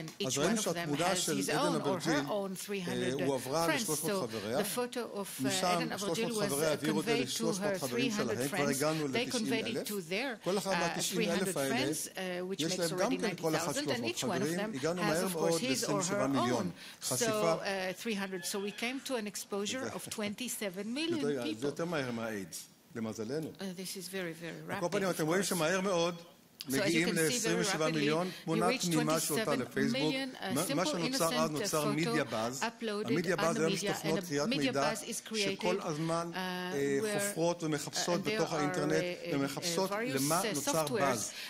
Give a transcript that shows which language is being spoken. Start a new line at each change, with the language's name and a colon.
Hebrew: אז ראינו שהתמונה של עדנה ברג'יל הוא עברה ל-300 חבריה, משם 300 חבריה העבירו את זה ל-300 חברים שלהם, כבר הגענו ל-90,000. כל אחד מה-90,000 האלה יש להם גם כן כל אחד 300 חברים, הגענו מהר מאוד ל-27 מיליון חשיפה.
English: So we came to an exposure of 27 million people.
Hebrew: זה יותר מהר מהאידס. למזלנו.
English: This is very, very rapid.
Hebrew: בכל פנים, אתם רואים שמהר מאוד מגיעים ל-27 מיליון, תמונה תמימה שאותה לפייסבוק. מה שנוצר אז נוצר מידיה באז. המידיה באז זה תוכנות קריאת מידע שכל הזמן חופרות ומחפשות בתוך האינטרנט ומחפשות למה נוצר באז.